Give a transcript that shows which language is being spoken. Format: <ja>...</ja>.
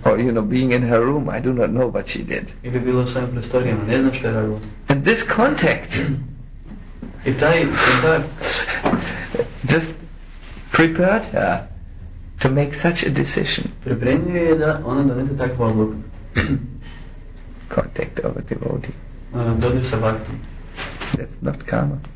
<en>Or, you know, being in her room, I do not know what she did.</en> <hr>Ili bilo u svojim prostorijama, ne znam što je radila.</hr> <en>And this contact,</en> <hr>I taj kontakt,</hr> <en>just prepared her to make such a decision.</en> <hr>Pripremio je da ona donese takvu odluku.</hr> <en>Contact of a devotee.</en> <hr>Dodir sa bhaktom.</hr> <en>That's not karma.</en>